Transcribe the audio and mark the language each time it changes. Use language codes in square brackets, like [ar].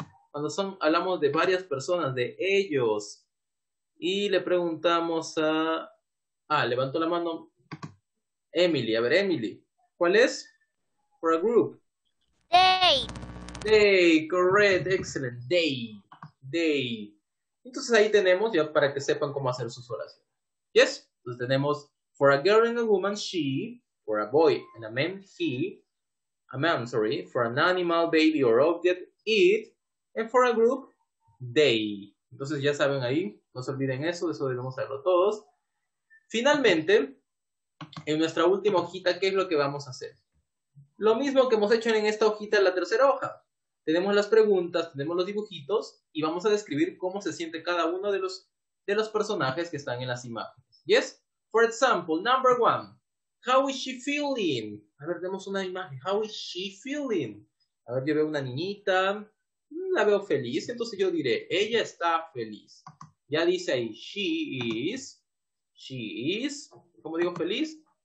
[es] Cuando hablamos de varias personas, de ellos, y le preguntamos a... Ah, levantó la mano Emily. A ver, Emily, ¿cuál es? [en] For a group. They. They, correct, excellent. They. They. [es] Entonces ahí tenemos ya para que sepan cómo hacer sus oraciones. [en] ¿Yes? [es] Entonces tenemos, [en] for a girl and a woman, she, for a boy and a man, he, a man, sorry, for an animal, baby, or object, it, and for a group, they. [es] Entonces ya saben ahí, no se olviden eso debemos saberlo todos. Finalmente, en nuestra última hojita, ¿qué es lo que vamos a hacer? Lo mismo que hemos hecho en esta hojita, en la tercera hoja. Tenemos las preguntas, tenemos los dibujitos, y vamos a describir cómo se siente cada uno de los personajes que están en las imágenes. [en] Yes, for example, number one, how is she feeling? [es] A ver, tenemos una imagen, [en] how is she feeling? [es] A ver, yo veo una niñita, la veo feliz, entonces yo diré, ella está feliz. Ya dice ahí, [en] she is, [es] ¿cómo digo feliz?